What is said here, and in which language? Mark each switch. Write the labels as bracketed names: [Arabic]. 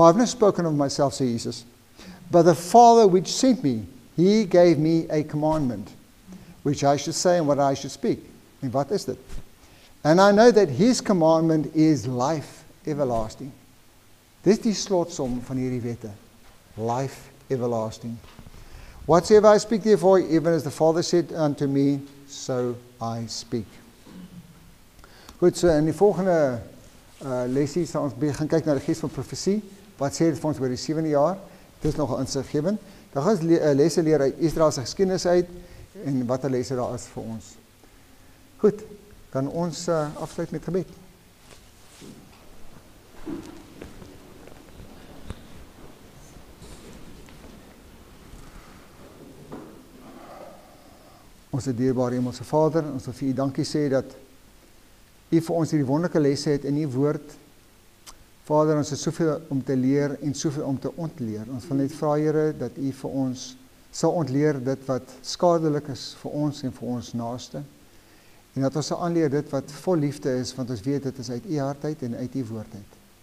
[English] For I have not spoken of myself, [Afrikaans] sê Jesus, [English] but the Father which sent me, he gave me a commandment, which I should say and what I should speak. [Afrikaans] En wat is dit? [English] And I know that his commandment is life everlasting. [Afrikaans] Dit is die slotsom van hierdie wette. [English] Life everlasting. Whatsoever I speak therefore, even as the Father said unto me, so I speak. [Afrikaans] Goed, so in die volgende lesie sal ons gaan kyk na die geest van profesie. Wat sê dit vir ons oor die 7e jaar? Dit is nogal insiggewend. Dan gaan ons lesse leer uit Israel se geskiedenis uit en wat die lesse daar is vir ons. Goed, kan ons afsluit met gebed. Onse dierbare Hemelse Vader, ons wil vir u dankie sê dat u vir ons hierdie wonderlike lesse het in u woord. Vader, ons het soveel om te leer en soveel om te ontleer. Ons wil net vra, Here, dat u vir ons sal ontleer dit wat skadelik is vir ons en vir ons naaste. En dat ons sal aanleer dit wat vol liefde is, want ons weet dit is uit u hart uit en uit u woord uit.